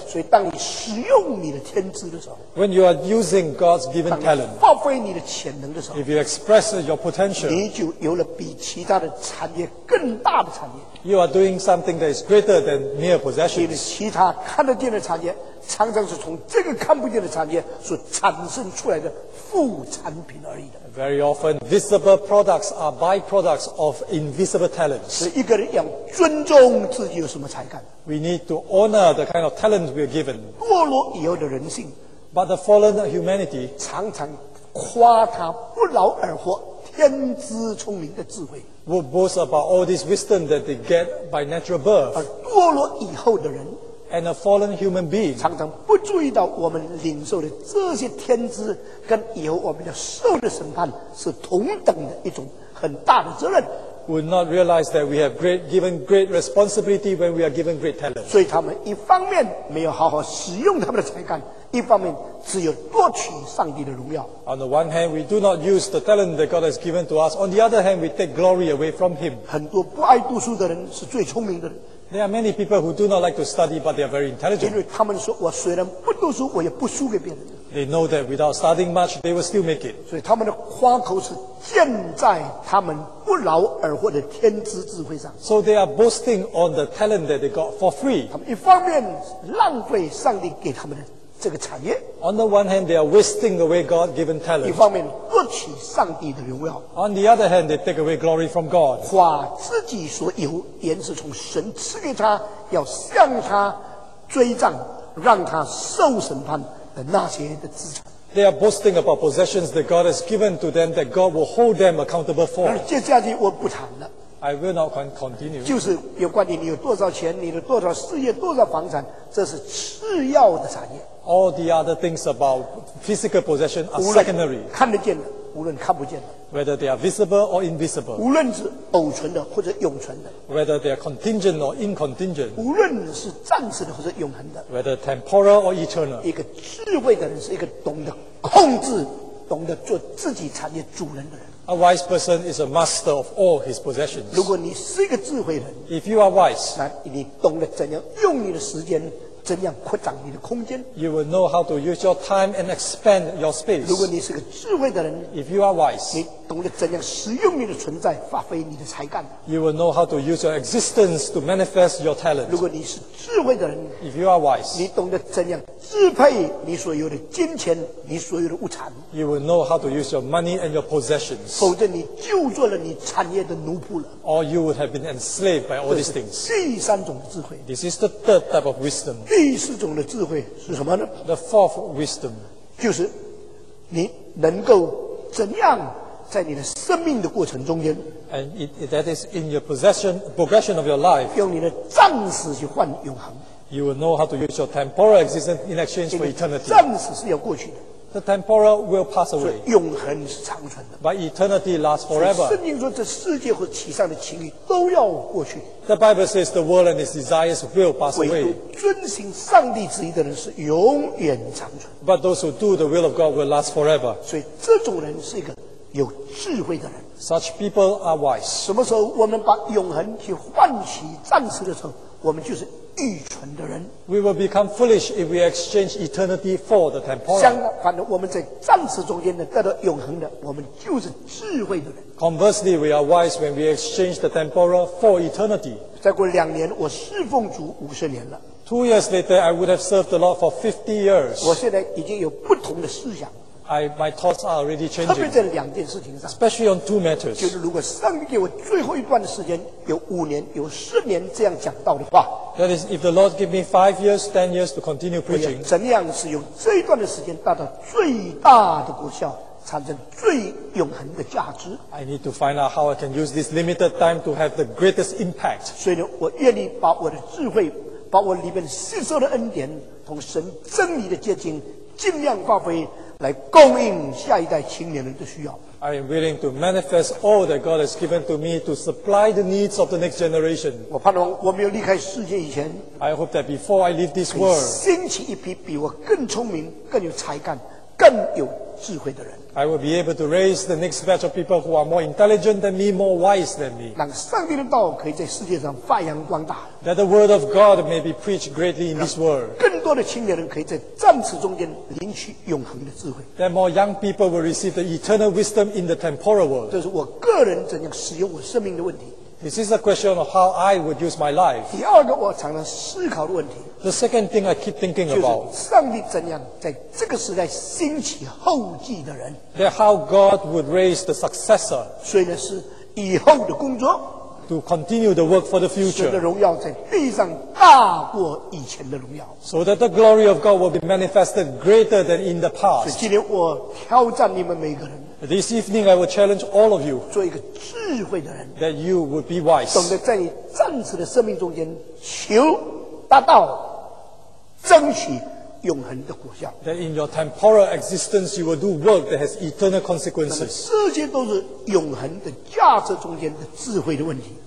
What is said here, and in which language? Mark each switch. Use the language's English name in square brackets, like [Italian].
[Chinese] 所以当你使用你的天资的时候， [English] When you are using God's given talent, [Chinese] 发挥你的潜能的时候， [English] If you express your potential, [Chinese] 你就有了比其他的产业更大的产业。 [English] You are doing something that is greater than mere possessions. [Chinese] 你的其他看得见的产业常常是从这个看不见的产业所产生出来的副产品而已的。 [English] Very often, visible products are byproducts of invisible talents. [Chinese] 所以一个人要尊重自己有什么才干。 [English] We need to honor the kind of talent we are given. [Chinese] 堕落以后的人性。 [English] But the fallen humanity [Chinese] 常常夸他不劳而获天资聪明的智慧。 [English] Would boast about all this wisdom that they get by natural birth. [Chinese] 而堕落以后的人 [English] And a fallen human being, [Chinese] 常常不注意到我们领受的这些天资跟以后我们要受的审判是同等的一种很大的责任。 [English] Would not realize that we have great, given great responsibility when we are given great talent. [Chinese] 所以他们一方面没有好好使用他们的才干，一方面只有夺取上帝的荣耀。 [English] On the one hand, we do not use the talent that God has given to us. On the other hand, we take glory away from Him. [Chinese] 很多不爱读书的人是最聪明的人。 [English] There are many people who do not like to study, but they are very intelligent. [Chinese] 因为他们说，我虽然不读书，我也不输给别人。 [English] They know that without studying much, they will still make it. [Chinese] 所以他们的夸口是建在他们不劳而获的天资智慧上。 [English] So they are boasting on the talent that they got for free. [Chinese] 他们一方面浪费上帝给他们的这个产业。 [English] On the one hand, they are wasting away God-given talent. [Chinese] 一方面夺取上帝的荣耀。 [English] On the other hand, they take away glory from God. [Chinese] 夸自己所有，原是从神赐给他，要向他追账，让他受审判的那些的资产。 [English] They are boasting about possessions that God has given to them that God will hold them accountable for. [Chinese] 接下去我不谈了。 [English] I will not continue. [Chinese] 就是有关于你有多少钱，你的多少事业，多少房产，这是次要的产业。 [English] All the other things about physical possession are secondary. [Chinese] 看得见的，无论看不见的。 [English] Whether they are visible or invisible. [Chinese] 无论是偶存的或者永存的。 [English] Whether they are contingent or incontingent. [Chinese] 无论是暂时的或者永恒的。 [English] Whether temporal or eternal. [Chinese] 一个智慧的人是一个懂得控制，懂得做自己产业主人的人。 [English] A wise person is a master of all his possessions. [Chinese] 如果你是一个智慧人， [English] If you are wise, [Chinese] 那你懂得怎样用你的时间，怎样扩展你的空间。 [English] You will know how to use your time and expand your space. [Chinese] 如果你是个智慧的人， [English] If you are wise, [Chinese] 你懂得怎样使用你的存在，发挥你的才干。 [English] You will know how to use your existence to manifest your talent. [Chinese] 如果你是智慧的人， [English] If you are wise, [Chinese] 你懂得怎样支配你所有的金钱，你所有的物产。 [English] You will know how to use your money and your possessions. [Chinese] 否则你就做了你产业的奴仆了。 [English] Or you would have been enslaved by all these things. [Chinese] 这是第三种智慧。 [English] This is the third type of wisdom. [Chinese] 第四种的智慧是什么呢？ [English] The fourth wisdom. [Chinese] 就是你能够怎样在你的生命的过程中间， [English] and that is in your possession, progression of your life, [Chinese] 用你的暂时去换永恒。 [English] You will know how to use your temporal existence in exchange for eternity. [Chinese] 暂时是要过去的。 [English] The temporal will pass away. [Chinese] 所以永恒是长存的。 [English] But eternity lasts forever. [Chinese] 圣经说这世界和其上的情欲都要过去。 [English] The Bible says the world and its desires will pass away. [Chinese] 唯独遵行上帝旨意的人是永远长存。 [English] But those who do the will of God will last forever. [Chinese] 所以这种人是一个有智慧的人。 [English] Such people are wise. [Chinese] 什么时候我们把永恒去换取暂时的时候，我们就是愚蠢的人。 [English] We will become foolish if we exchange eternity for the temporal. [Chinese] 相反的，我们在暂时中间的得到永恒的，我们就是智慧的人。 [English] Conversely, we are wise when we exchange the temporal for eternity. [Chinese] 再过两年，我侍奉主50年了。 [English] Two years later, I would have served the Lord for 50 years. [Chinese] 我现在已经有不同的思想。 [English] My thoughts are already changing. [Chinese] 特别在两件事情上。 [English] Especially on two matters. [Chinese] 就是如果上帝给我最后一段的时间，有5年，有10年这样讲道的话。 [English] That is, if the Lord give me 5 years, 10 years to continue preaching. [Chinese] 怎样使用这一段的时间达到最大的果效，产生最永恒的价值。 [English] I need to find out how I can use this limited time to have the greatest impact. [Chinese] 所以呢，我愿意把我的智慧，把我里面吸收的恩典，同神真理的结晶，尽量发挥。来供应下一代青年人的需要。 [English] I am willing to manifest all that God has given to me to supply the needs of the next generation. [Chinese] 我盼望我没有离开世界以前。 [English] I hope that before I leave this world, [Chinese] 兴起一批比我更聪明、更有才干、更有智慧的人。 [English] I will be able to raise the next batch of people who are more intelligent than me, more wise than me. [Chinese] 让上帝的道可以在世界上发扬光大。 [English] That the word of God may be preached greatly in this world. [Chinese] 更多的青年人可以在暂时中间领取永恒的智慧。 [English] That more young people will receive the eternal wisdom in the temporal world. [Chinese] 这是我个人怎样使用我生命的问题。 [English] This is a question of how I would use my life. [Chinese] 第二个我常常思考的问题。 [English] The second thing I keep thinking about. [Chinese] 就是上帝怎样在这个时代兴起后继的人。 [English] That how God would raise the successor. [Chinese] 所以呢是以后的工作。 [English] To continue the work for the future. [Chinese] 使得荣耀在地上大过以前的荣耀。 [English] So that the glory of God will be manifested greater than in the past. [Chinese] 所以今天我挑战你们每个人。 [English] This evening, I will challenge all of you. [Chinese] 做一个智慧的人。 [English] That you would be wise. [Chinese] 懂得在你暂时的生命中间求达到，争取永恒的果效。 [English] That in your temporal existence, you will do work that has eternal consequences. [Chinese] 这些都是永恒的价值中间的智慧的问题。